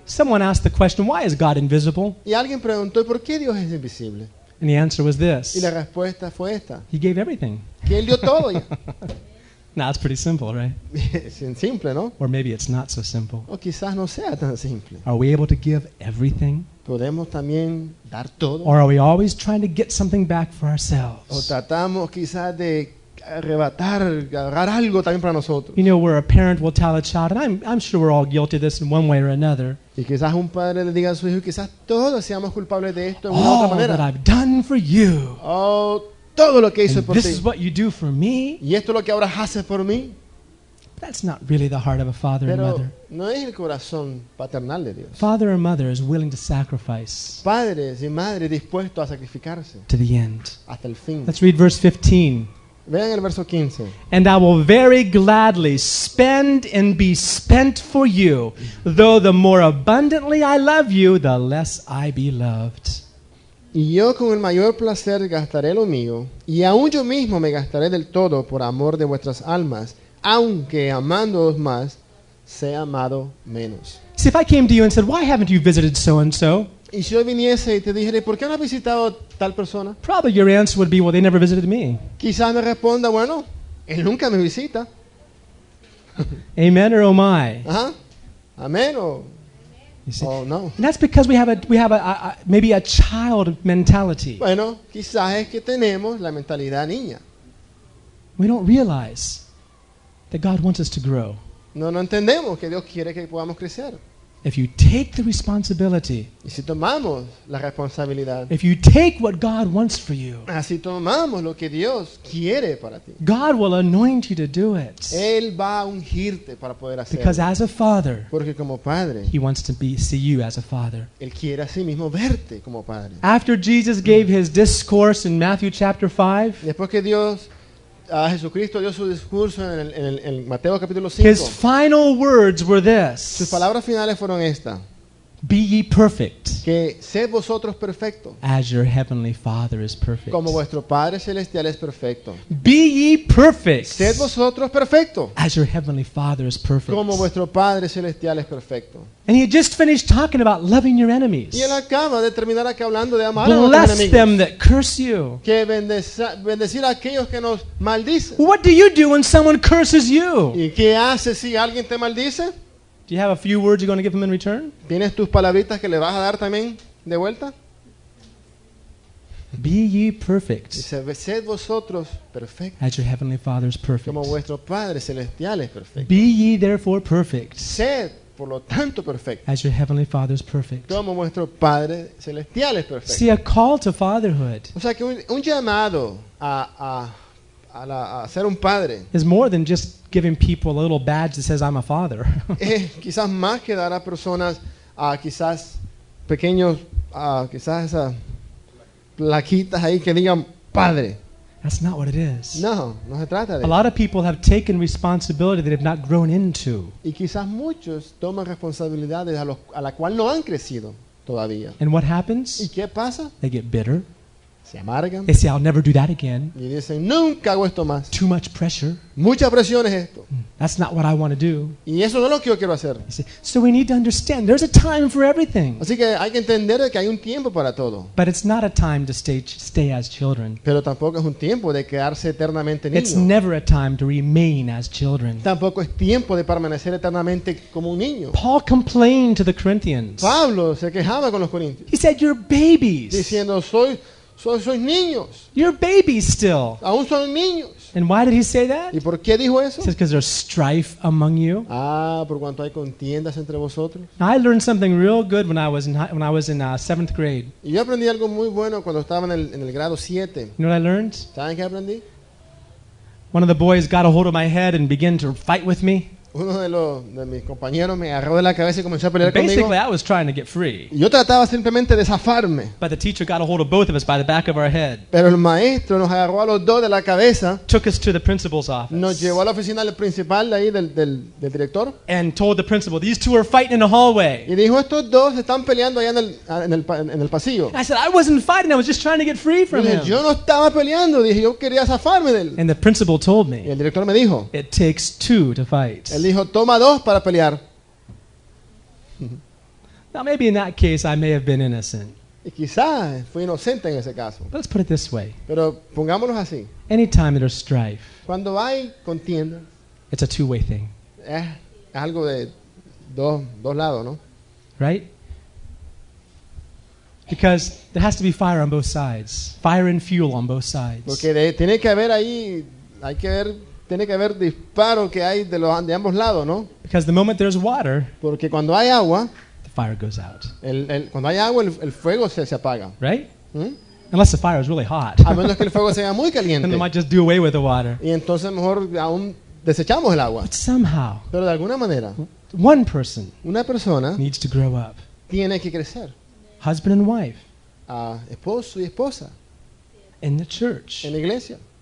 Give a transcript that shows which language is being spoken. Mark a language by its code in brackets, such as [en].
[en] Someone asked the question, why is God invisible? [es] Y alguien preguntó, ¿por qué Dios es invisible? [en] And the answer was this. [es] Y la respuesta fue esta. [en] He gave everything. [es] Que él dio todo ya. [en] Now it's pretty simple, right? [es] Es simple, ¿no? [en] Or maybe it's not so simple. [es] O quizás no sea tan simple. [en] Are we able to give everything? [es] ¿Podemos también dar todo? [en] Or are we always trying to get something back for ourselves? [es] ¿O tratamos quizás de arrebatar, agarrar algo también para nosotros? [en] You know, where a parent will tell a child, and I'm sure we're all guilty of this in one way or another. [es] Y quizás un padre le diga a su hijo, quizás todos seamos culpables de esto de una otra manera. [en] All that I've done for you. [es] Oh, todo lo que hice por ti. [en] This is what you do for me. [es] Y esto es lo que ahora haces por mí. [en] That's not really the heart of a father [es] Pero [en] and mother. [es] No es el corazón paternal de Dios. [en] Father or mother is willing to sacrifice. [es] Padres y madres dispuestos a sacrificarse. [en] To the end. [es] Hasta el fin. [en] Let's read verse 15. [es] Vean el verso 15. [en] And I will very gladly spend and be spent for you, though the more abundantly I love you, the less I be loved. [es] Y yo con el mayor placer gastaré lo mío, y aún yo mismo me gastaré del todo por amor de vuestras almas, aunque amándoos más, sea amado menos. [en] See, if I came to you and said, why haven't you visited so-and-so? [es] Y si yo viniese y te dijere, ¿por qué no has visitado tal persona? [en] Probably your answer would be, well, they never visited me. [es] Quizás me responda, bueno, él nunca me visita. [en] Amen or oh my? [es] Uh-huh. Amen o... [en] You see? [es] Oh no. [en] And that's because we have a child mentality. [es] Bueno, quizás es que tenemos la mentalidad niña. [en] We don't realize that God wants us to grow. [es] No entendemos que Dios quiere que podamos crecer. [en] If you take the responsibility, [es] y si tomamos la responsabilidad, [en] if you take what God wants for you, [es] si tomamos lo que Dios quiere para ti, [en] God will anoint you to do it. [es] Él va a ungirte para poder hacerlo. [en] Because as a father, [es] porque como padre, [en] he wants to see you as a father. [es] Él quiere a sí mismo verte como padre. [en] After Jesus gave his discourse in Matthew chapter 5, [es] después que Dios a Jesucristo dio su discurso en Mateo capítulo 5. [en] His final words were this. [es] Sus palabras finales fueron esta. [en] Be ye perfect. [es] Que sed vosotros perfectos. [en] As your heavenly Father is perfect. [es] Como vuestro Padre celestial es perfecto. [en] Be ye perfect. [es] Sed vosotros perfectos. [en] As your heavenly Father is perfect. [es] Como vuestro Padre celestial es perfecto. [en] And he had just finished talking about loving your enemies. [es] Y él acaba de terminar aquí hablando de amar a los enemigos. [en] Bless them that curse you. [es] Que bendecir a aquellos que nos maldicen. [en] What do you do when someone curses you? [es] ¿Y qué haces si alguien te maldice? [en] Do you have a few words you're going to give him in return? [es] ¿Tienes tus palabritas que le vas a dar también de vuelta? [en] Be ye perfect. [es] Sed vosotros perfectos. [en] As your heavenly Father is perfect. [es] Como vuestro Padre celestial es perfecto. [en] Be ye therefore perfect. [es] Sed por lo tanto perfecto. [en] As your heavenly Father is perfect. [es] Como vuestro Padre celestial es perfecto. [en] See, a call to fatherhood. [es] O sea que un llamado a ser un padre [en] is more than just giving people a little badge that says I'm a father. [es] Quizás más que dar a personas quizás pequeños quizás esas plaquitas ahí que digan padre. [en] That's not what it is. [es] No se trata de [en] a lot of people have taken responsibility that have not grown into. [es] Y quizás muchos toman responsabilidades a la cual no han crecido todavía. [en] And what happens? [es] ¿Y qué pasa? [en] They get bitter. [es] Se amargan. [en] They say, I'll never do that again. [es] Y dicen, nunca hago esto más. [en] Too much pressure. [es] Mucha presión es esto. [en] That's not what I want to do. [es] Y eso no es lo que yo quiero hacer. [en] You see, so we need to understand, there's a time for everything. [es] Así que hay que entender que hay un tiempo para todo. [en] But it's not a time to stay as children. [es] Pero tampoco es un tiempo de quedarse eternamente niño. [en] It's never a time to remain as children. [es] Tampoco es tiempo de permanecer eternamente como un niño. [en] Paul complained to the Corinthians. [es] Pablo se quejaba con los corintios. [en] He said, you're babies. [es] Diciendo, sois niños. [en] You're babies still. [es] Aún son niños. [en] And why did he say that? [es] ¿Y por qué dijo eso? [en] He says, because there's strife among you. [es] Ah, por cuanto hay contiendas entre vosotros. [en] Now, I learned something real good when I was in seventh grade. [es] Y yo aprendí algo muy bueno cuando estaba en el grado 7. [en] You know what I learned? [es] ¿Saben qué aprendí? [en] One of the boys got a hold of my head and began to fight with me. [es] Uno de mis compañeros me agarró de la cabeza y comenzó a pelear [en] basically, [es] conmigo. [en] Basically, I was trying to get free. [es] Yo trataba simplemente de zafarme. [en] But the teacher got a hold of both of us by the back of our head. [es] Pero el maestro nos agarró a los dos de la cabeza. [en] Took us to the principal's office. [es] Nos llevó a la oficina del principal de ahí del director. [en] And told the principal, these two are fighting in the hallway. [es] Y dijo, estos dos están peleando allá en el pasillo. [en] I said, I wasn't fighting, I was just trying to get free from him. [es] Yo no estaba peleando, dije, yo quería zafarme de él. [en] And the principal told me. [es] Y el director me dijo, [en] it takes two to fight. [es] Él dijo, toma dos para pelear. [en] Now maybe in that case I may have been innocent. [es] Y quizás fui inocente en ese caso. [en] Let's put it this way. [es] Pero pongámonos así. [en] Anytime there's strife. [es] Cuando hay contienda. [en] It's a two-way thing. [es] Es algo de dos lados, ¿no? [en] Right? Because there has to be fire on both sides. Fire and fuel on both sides. [es] Porque tiene que haber ahí, hay que ver. Tiene que haber disparo que hay de ambos lados, ¿no? [en] Because the moment there's water, [es] porque cuando hay agua, [en] the fire goes out. [es] Cuando hay agua, el fuego se apaga. [en] Right? Unless the fire is really hot. [es] A menos que el fuego sea muy caliente. [en] Then they might just do away with the water. [es] Y entonces mejor aún desechamos el agua. [en] But somehow, [es] pero de alguna manera, [en] one person, [es] una persona, [en] needs to grow up. [es] Tiene que crecer. [en] Husband and wife. [es] Esposo y esposa. [en] In the church. [es] En la iglesia.